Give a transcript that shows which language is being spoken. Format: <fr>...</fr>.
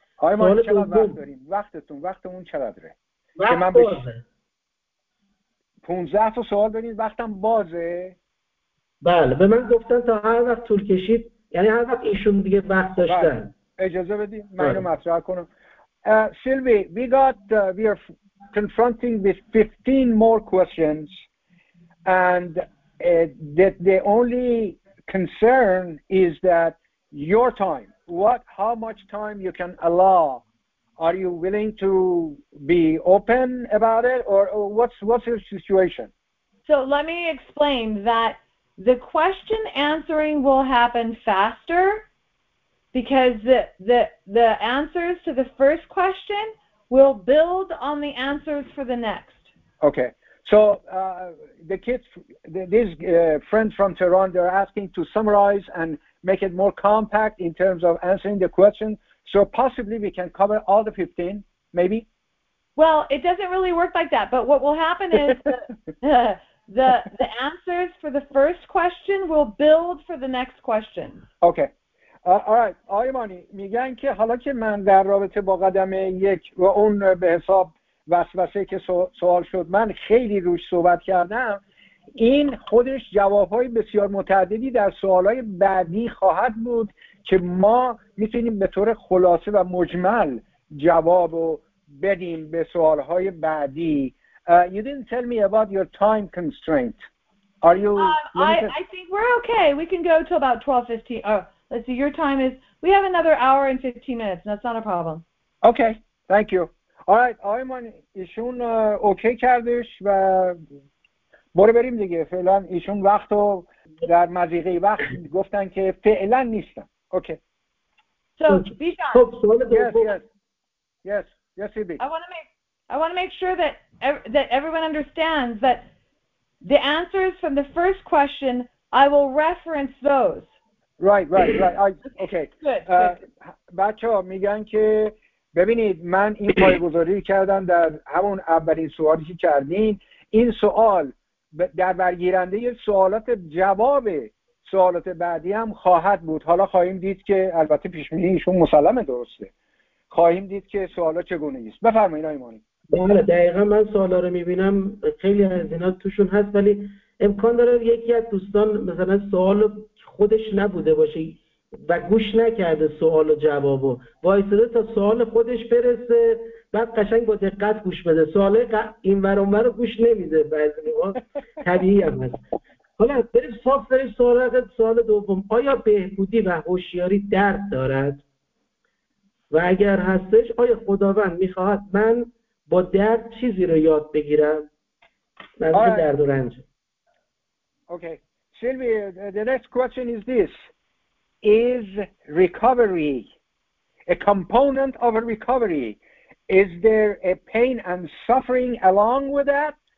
<fa>آقای مانی چقدر وقت داریم؟ وقتتون، وقتمون چقدره؟ وقت من بازه. 15 تا سوال دارین، وقتم بازه؟ بله، به من گفتن تا هر وقت طول کشید، یعنی هر وقت ایشون دیگه وقت داشتن. بله. اجازه بدید من اینو مطرح کنم.</fa> <en>Sylvie, we are confronting with 15 more questions and that the only concern is that your time. What, how much time you can allow? Are you willing to be open about it, or what's your situation? So let me explain that the question answering will happen faster because the answers to the first question will build on the answers for the next. Okay. So the kids, these friends from Tehran, they're asking to summarize and make it more compact in terms of answering the question. So possibly we can cover all the 15, maybe? Well, it doesn't really work like that. But what will happen is the answers for the first question will build for the next question. Okay.</en> <fa>آره آقای مانی میگن که حالا که من در رابطه با قدم یک و اون به حساب وسوسه که سوال شد من خیلی روش صحبت کردم، این خودش جوابهای بسیار متعددی در سوالهای بعدی خواهد بود که ما میتونیم به طور خلاصه و مجمل جوابو بدیم به سوالهای بعدی.</fa> <en>You didn't tell me about your time constraint. Are you I think we're okay. We can go to about 12:15. Oh, let's see. Your time is we have another hour and 15 minutes. That's not a problem. Okay. Thank you. All right.</en> <fa>آقای مانی ایشون اوکی کردش و برو بریم دیگه. فعلا ایشون وقتو در مضیقه وقت گفتن که فعلا نیستن. اوکی.</fa> <en>So, Bijan.</en> <fa>خب سوال</fa> <en>Yes, Ibi. I want to make sure that everyone understands that the answers from the first question, I will reference those. Right. Okay. Good.</en> <fa>بچه ها میگن که ببینید من این پایه‌گذاری کردم در همون اولین سوالی که کردین. این سوال در برگیرنده سوالات جواب سوالات بعدی هم خواهد بود. حالا خواهیم دید که البته پیشبینی ایشون مسلمه درسته. خواهیم دید که سوالا چگونه است. بفرمایید آقای مانی. بله دقیقاً من سوالا رو می‌بینم خیلی از اینا توشون هست ولی امکان داره یکی از دوستان مثلا سوال خودش نبوده باشه و گوش نکرده سوال و جوابو وایساده تا سوال خودش برسه بعد قشنگ با دقت گوش بده سوال اینور اونور رو گوش نمیده بعضی موقع طبیعی هم هست. حالا بریم صاف بریم سوال دوم آیا بهبودی و هوشیاری درد دارد و اگر هستش آیا خداوند می‌خواهد من با درد چیزی رو یاد بگیرم از درد و رنج.</fa> <en>Okay. Sylvia, the next question is this. Is recovery, a component of a recovery, is there a pain and suffering along with that?</en>